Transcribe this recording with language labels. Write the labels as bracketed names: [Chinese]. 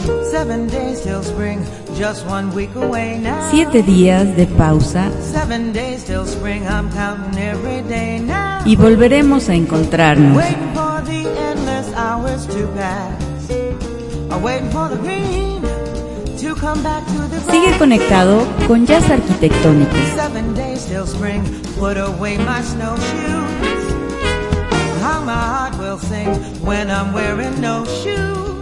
[English] Seven days till spring, just 1 week away now. [Spanish] 7 días de pausa. [English] 7 days till spring, I'm counting every day now. [Spanish] Y volveremos a encontrarnos. [English] Wait for the endless hours to pass. I'm waiting for the green to come back to the grass. [Spanish] Sigue conectado con Jazz Arquitectónico. [English] 7 days till spring, put away my snowshoes. How my heart will sing when I'm wearing no shoes.